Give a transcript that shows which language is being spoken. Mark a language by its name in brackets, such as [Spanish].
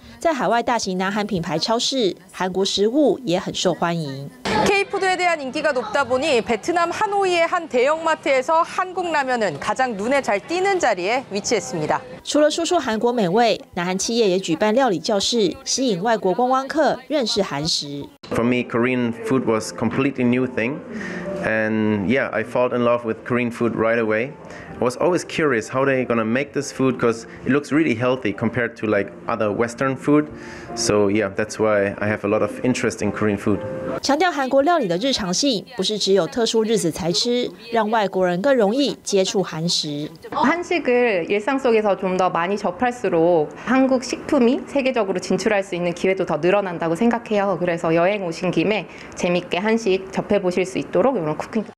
[Chinese] 在海外大型南韩品牌超市，韩国食物也很受欢迎。 [Korean] K-푸드에대한인기가높다보니베트남하노이의한대형마트에서한국라면은가장눈에잘띄는자리에위치했습니다 [Chinese] 除了输出韩国美味，南韩企业也举办料理教室，吸引外国观光客认识韩食。 [English] For me, Korean food was completely new thing, and yeah, I fell in love with Korean food right away. I was always curious how they gonna make this food because it looks really healthy compared to like other Western food. So yeah, that's why I have a lot of interest in Korean food. [Chinese] 强调韩国料理的日常性，不是只有特殊日子才吃，让外国人更容易接触韩食。 [Korean] 한식을일상속에서좀더많이접할수록한국식품이세계적으로진출할수있는기회도더늘어난다고생각해요그래서여행오신김에재밌게한식접해보실수있도록이런쿠킹